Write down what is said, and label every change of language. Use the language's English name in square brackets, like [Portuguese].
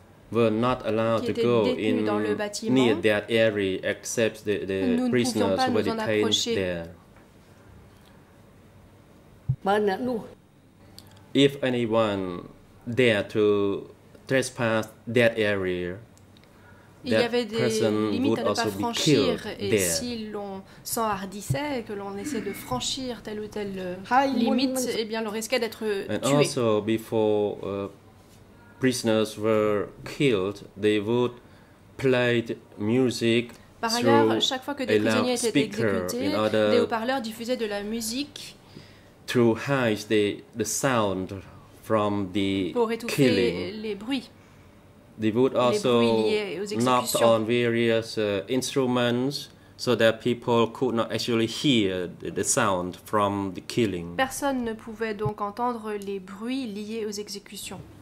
[English] were not allowed to go in near that area except the prisoners who were detained there. If anyone dared to trespass that area, that person would also be killed there. [French] Et si l'on s'enhardissait, que l'on essaie de franchir telle ou telle limite, eh bien, l'on risquait d'être tué. [English] And also, before prisoners were killed, they would play music. [French] Par ailleurs, chaque fois que des prisonniers étaient exécutés, des haut-parleurs diffusaient de la musique [English] to hide the sound from the [French] pour étouffer [English] killing. [French] Les bruits. [English] They would also knock on various instruments so that people could not actually hear the sound from the killing. [French] Personne ne pouvait donc entendre les bruits liés aux exécutions.